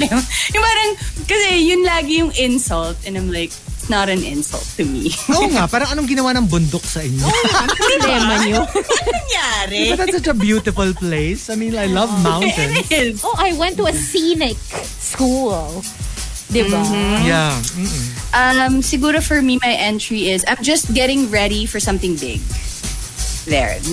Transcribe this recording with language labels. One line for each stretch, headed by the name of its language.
Filipino: Yung parang, kasi yun lagi yung
English: insult and I'm like, not an insult to me.
Filipino: Oo nga, parang anong ginawa ng bundok sa inyo? Oo nga, problema nyo. Anong nangyari?
English: That's such a beautiful place. I mean, I love mountains. Oh, I went to a scenic school.
Filipino: Diba? Mm-hmm.
English: Yeah. Mm-mm. Siguro for me, my entry is, I'm just getting ready for something big. There.